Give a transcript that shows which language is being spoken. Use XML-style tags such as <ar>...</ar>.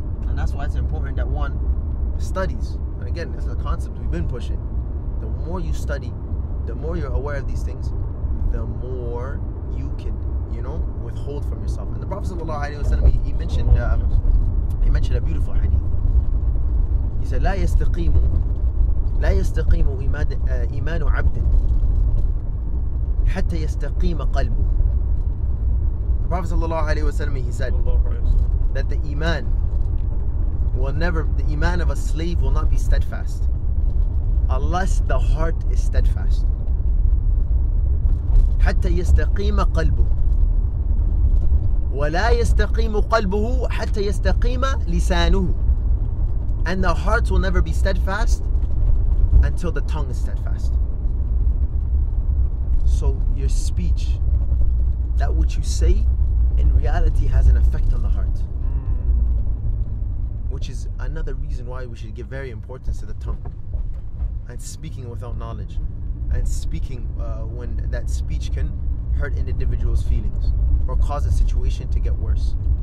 <en>And that's why it's important that one studies. And again, this is a concept we've been pushing. The more you study, the more you're aware of these things, the more you can, you know, withhold from yourself. And the Prophet ﷺ, he mentioned a beautiful hadith. He said,</en> <ar>لا يستقيم إيمان عبد حتى يستقيم قلبه.</ar> <en>The Prophet ﷺ, he said that the iman will never, the iman of a slave will not be steadfast unless the heart is steadfast.</en> <ar>حتى يستقيم قلبه ولا يستقيم قلبه حتى يستقيم لسانه.</ar> <en>And the heart will never be steadfast until the tongue is steadfast. So your speech, that which you say, in reality has an effect on the heart, which is another reason why we should give very importance to the tongue and speaking without knowledge, and speaking when that speech can hurt an individual's feelings or cause a situation to get worse.</en>